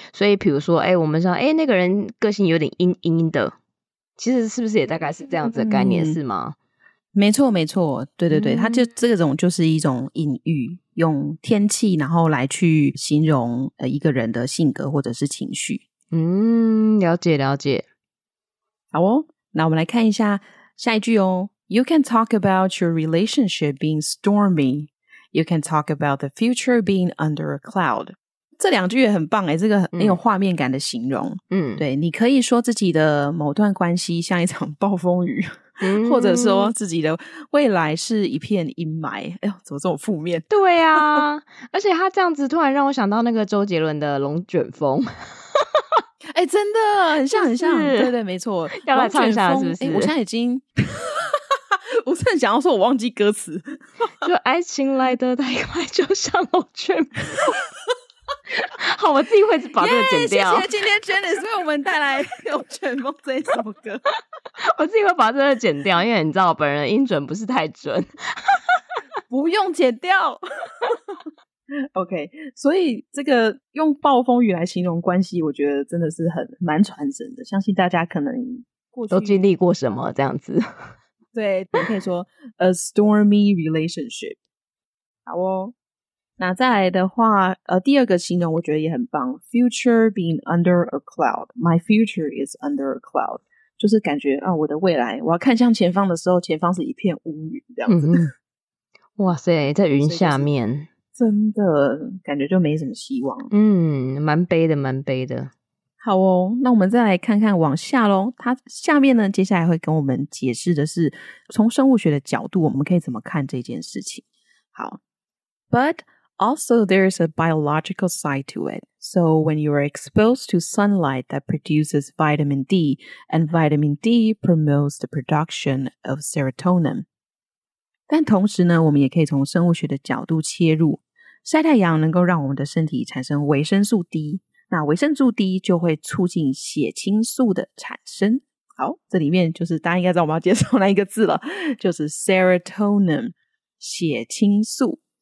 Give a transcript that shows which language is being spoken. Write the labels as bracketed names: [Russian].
[Chinese] 所以比如说我们说那个人个性有点阴阴的，其实是不是也大概是这样子的概念，是吗？没错没错，对对对，它就这种就是一种隐喻，用天气然后来去形容一个人的性格或者是情绪。嗯，了解了解。好哦，那我们来看一下下一句哦。 [English] You can talk about your relationship being stormy. You can talk about the future being under a cloud. [Chinese] 这两句也很棒耶，这个很有画面感的形容。嗯，对，你可以说自己的某段关系像一场暴风雨，或者说自己的未来是一片阴霾。哎呦，怎么这么负面？对啊，而且他这样子突然让我想到那个周杰伦的《龙卷风》。真的很像很像，就是，对对没错，要来唱一下是不是？我现在已经我是很想要说我忘记歌词。就爱情来得太快，就像龙卷风。好，我自己会把这个剪掉。谢谢今天 Janice 为我们带来龙卷风这一首歌。我自己会把这个剪掉，因为你知道我本人音准不是太准。不用剪掉。 OK， 所以这个用暴风雨来形容关系，我觉得真的是很蛮传神的。相信大家可能都经历过什么这样子。对，你可以说 [English] a stormy relationship。 [Chinese] 好哦，那再来的话，第二个形容我觉得也很棒 ， [English] future being under a cloud。 My future is under a cloud， [Chinese] 就是感觉啊，我的未来，我要看向前方的时候，前方是一片乌云这样子。嗯、哇塞，在云下面。真的感觉就没什么希望，嗯，蛮悲的，蛮悲的。好哦，那我们再来看看往下咯，它下面呢接下来会跟我们解释的是从生物学的角度我们可以怎么看这件事情。 [English] 好， But also there is a biological side to it. So when you are exposed to sunlight that produces vitamin D and vitamin D promotes the production of serotonin. [Chinese] 但同时呢，我们也可以从生物学的角度切入，晒太阳能够让我们的身体产生维生素 D， 那维生素 D 就会促进血清素的产生。好，这里面就是大家应该知道我们要介绍哪一个字了，就是 serotonin 血清素。